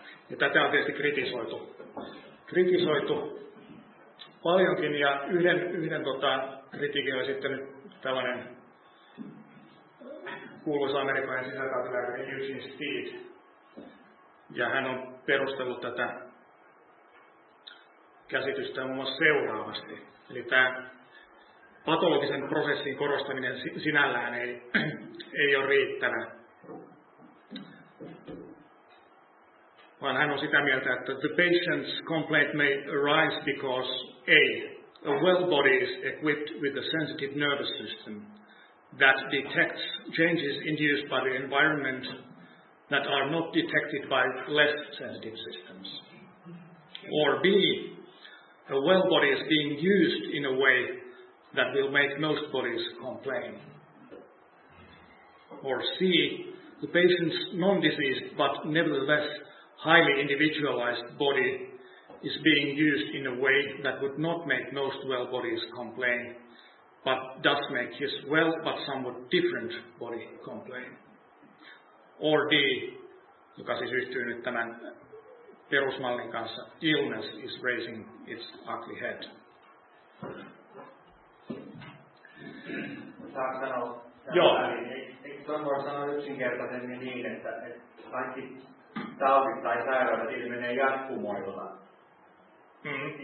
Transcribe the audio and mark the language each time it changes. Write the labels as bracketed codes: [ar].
[fi] Ja tätä on tietysti kritisoitu paljonkin, ja yhden kritiikin on esittänyt tällainen kuuluisa amerikkalainen sisätautilääkäri Eugene Steed, ja hän on perustellut tätä käsitystä muun muassa seuraavasti. Eli tämä patologisen prosessin korostaminen sinällään ei ole riittävä. Vaan hän on sitä mieltä, että [en] the patient's complaint may arise because A. A well body is equipped with a sensitive nervous system that detects changes induced by the environment that are not detected by less sensitive systems. Or B. A well body is being used in a way that will make most bodies complain. Or C. The patient's non-diseased but nevertheless highly individualized body is being used in a way that would not make most well bodies complain, but does make his well but somewhat different body complain. Or D, [fi] joka siis yhtyy nyt tämän perusmallin kanssa, [en] illness is raising its ugly head. [fi] Saanko sanoa? Eikö sanoa yksinkertaisemmin niin, että kaikki taudit tai sairaudet ilmenee jatkumoilla. Mm-hmm.